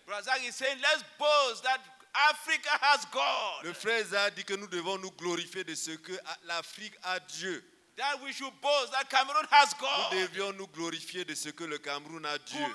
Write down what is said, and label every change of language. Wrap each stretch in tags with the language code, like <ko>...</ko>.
<en>Brother Zach is saying, let's boast that Africa has God.</en> <fr>Le frère Zach dit que nous devons nous glorifier de ce que l'Afrique a Dieu.</fr> <en>That we should boast that Cameroon has God.</en> <fr>Nous devions nous glorifier de ce que le Cameroun a Dieu.</fr>